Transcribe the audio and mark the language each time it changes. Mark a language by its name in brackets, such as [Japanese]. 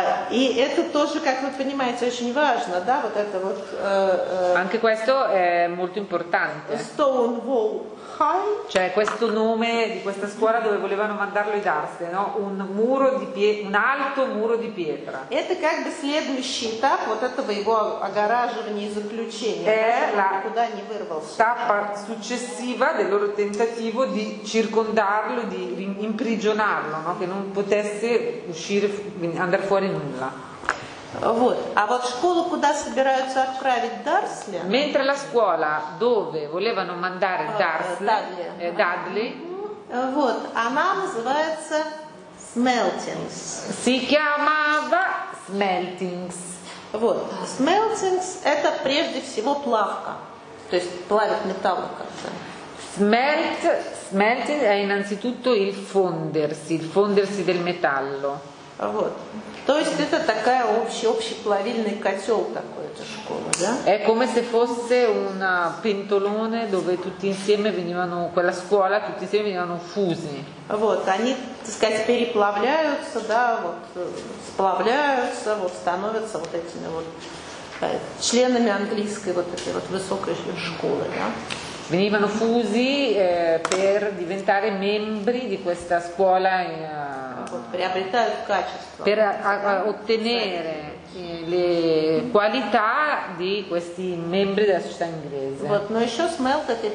[Russian] И это тоже, как вы понимаете, очень важно, да, вот это вот... [Italian] Anche questo è molto importante. [English] Stonewall High. [Italian] Cioè, questo nome di questa scuola dove volevano mandarlo i Dursley, no? Un muro di un alto muro di pietra. [Russian] Это как бы следующий этап вот этого его огораживания и заключения. [Italian] È la tappa successiva del loro tentativo di circondarlo, di imprigionarlo, no? Che non potesse uscire, andare fuori nulla. [Russian] Вот. А вот школу, куда собираются отправить Дарсли? [Italian] Mentre la scuola dove volevano mandare Дарсли, Дадли. [Russian] Вот. Она называется Смелтингс. [Italian] Si chiamava Smeltings. [Russian] Вот. Смелтингс это прежде всего плавка. То есть плавить металл как-то. [Italian] Smelting è innanzitutto il fondersi del metallo. [Russian] Вот. То есть это такая общий плавильный котел такой, эта школа, да? [Italian] È come se fosse un pentolone dove tutti insieme venivano, quella scuola, tutti insieme venivano fusi. [Russian] Вот, они, так сказать, переплавляются, да, вот, сплавляются, вот, становятся вот этими вот членами английской вот этой вот высокой школы, да? [Italian] Venivano fusi per diventare membri di questa scuola per ottenere le qualità di questi membri della società inglese.